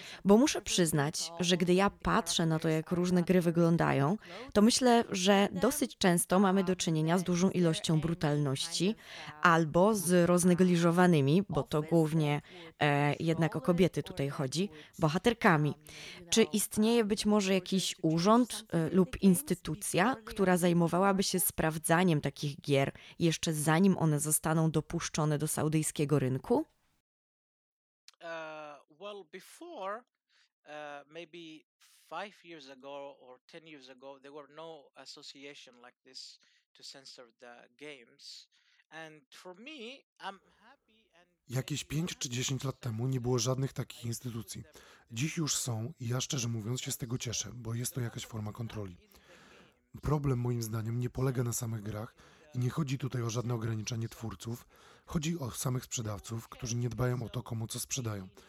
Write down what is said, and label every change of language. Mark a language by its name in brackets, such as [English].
[Polish] Bo muszę przyznać, że gdy ja patrzę na to, jak różne gry wyglądają, to myślę, że dosyć często mamy do czynienia z dużą ilością brutalności albo z roznegliżowanymi, bo to głównie jednak o kobiety tutaj chodzi, bohaterkami. Czy istnieje być może jakiś urząd lub instytucja, która zajmowałaby się sprawdzaniem takich gier jeszcze zanim one zostaną dopuszczone do saudyjskiego rynku? [English] Well, before, maybe 5 years ago or 10 years ago, there were no association like this to censor the games. And for me, I'm happy and... [Polish] Jakieś 5 czy 10 lat temu nie było żadnych takich instytucji. Dziś już są i ja szczerze mówiąc się z tego cieszę, bo jest to jakaś forma kontroli. Problem moim zdaniem nie polega na samych grach i nie chodzi tutaj o żadne ograniczenie twórców. Chodzi o samych sprzedawców, którzy nie dbają o to, komu co sprzedają.